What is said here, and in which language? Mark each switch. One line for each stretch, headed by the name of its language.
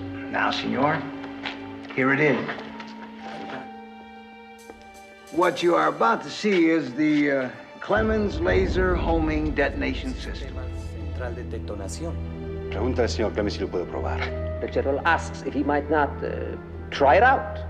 English: Now, senor, here it is. What you are about to see is the Clemens Laser Homing Detonation System.
Spanish: Central de detonación. Pregunta al señor Clemens si lo puedo probar.
English: The general asks if he might not try it out.